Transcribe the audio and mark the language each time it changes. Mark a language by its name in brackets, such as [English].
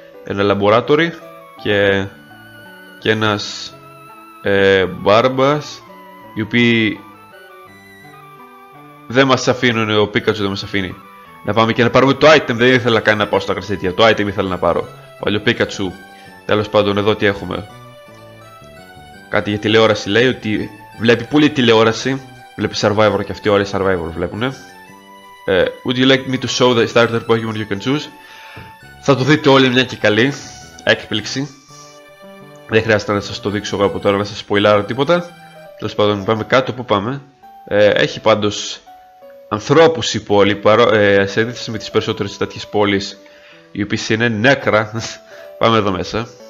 [Greek] Ένα laboratory και... Και ένας μπάρμπας, οι οποίοι δεν μας αφήνουν, ο Πίκατσου δεν μας αφήνει να πάμε και να πάρουμε το item. Δεν ήθελα καν να πάω στα κρασίτια. Το item ήθελα να πάρω. Παλιό Πίκατσου. Τέλος πάντων, εδώ τι έχουμε. Κάτι για τηλεόραση λέει ότι βλέπει πολύ τηλεόραση. Βλέπει Survivor και αυτοί όλοι Survivor βλέπουνε. [English] Would you like me to show the starter Pokemon you can choose? [Greek] Θα το δείτε όλοι μια και καλή. Έκπληξη. Δεν χρειάζεται να σας το δείξω εγώ από τώρα, να σας σποιλάρω τίποτα. Τέλος πάντων, πάμε κάτω. Πού πάμε? Έχει πάντως ανθρώπους η πόλη, σε αντίθεση με τις περισσότερες τέτοιες πόλεις, οι οποίες είναι νέκρα. Πάμε εδώ μέσα.